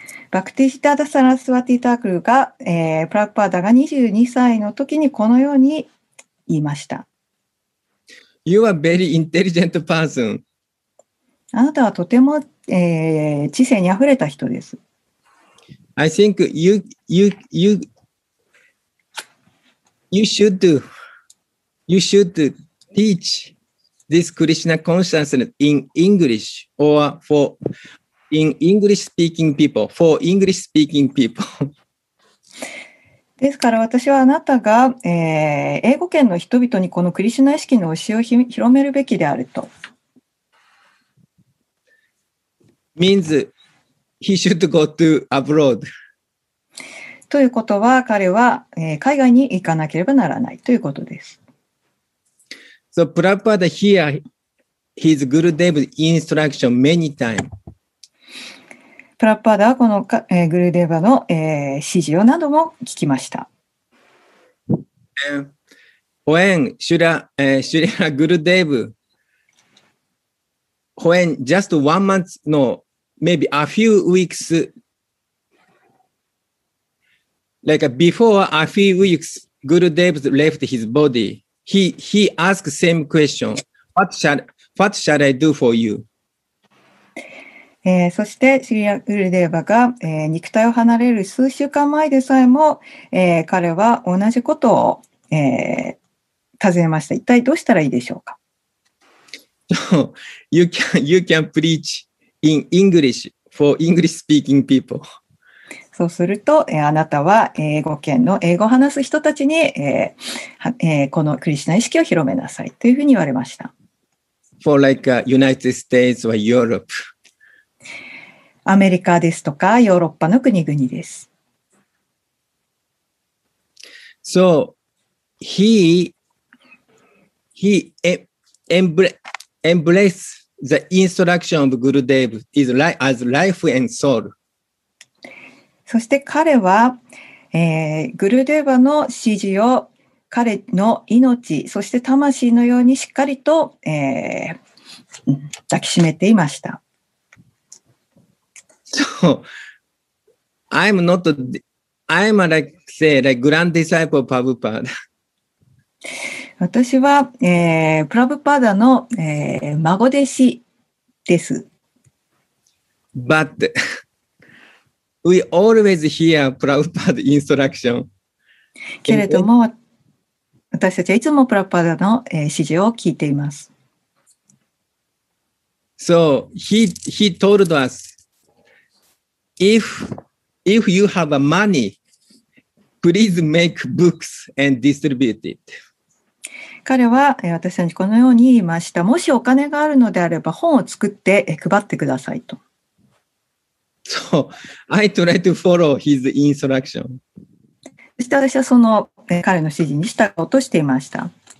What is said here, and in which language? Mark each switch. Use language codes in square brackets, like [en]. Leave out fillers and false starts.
[ja] バクティシタダサラスワティタークルが、プラッパーダが22歳の時にこのように言いました。 [en] You are very intelligent person. [ja] あなたはとても、知性にあふれた人です。 [en] I think you should teach this Krishna consciousness in English or forIn English speaking people, for English speaking people. [ja] ですから私はあなたが、英語圏の人々にこのクリシュナ意識の教えを広めるべきであると。 [en] Means he should go to abroad. [ja] ということは彼は、海外に行かなければならないということです。 [en] So Prabhupada here his Guru Dev's instruction many times. [ja] プラッパーダはこの、グルデーバの、指示を何度も聞きました。 [en] When Shrila Gurudev, when just one month, no, maybe a few weeks, like before a few weeks, Gurudev left his body, he asked the same question, what shall I do for you? [ja] そしてシリア・グルデーバが、肉体を離れる数週間前でさえも、彼は同じことを、尋ねました。一体どうしたらいいでしょうか。 [en] You can preach in English for English speaking people. [ja] そうすると、あなたは英語圏の英語を話す人たちに、このクリシュナ意識を広めなさいというふうに言われました。 [en] For like a United States or Europe. [ja] アメリカですとかヨーロッパの国々です。 [en] So he embrace the instruction of Gurudev is like as life and soul. [ja] そして彼は、グルデーバの指示を彼の命そして魂のようにしっかりと、抱きしめていました。 [en] So, I'm like, say, like grand disciple of Prabhupada. [ja] 私は、プラブパーダの、孫弟子です。 [en] But, we always hear Prabhupada instruction. [ja] けれども、私たちはいつもプラブパーダの、指示を聞いています。 [en] So, he told us,If you have money, please make books and distribute it. [ja] 彼は私たちにこのように言いました。もしお金があるのであれば本を作って配ってくださいと。 [en] So, I try to follow his instruction. [ja] そして私はその彼の指示に従おうとしていました。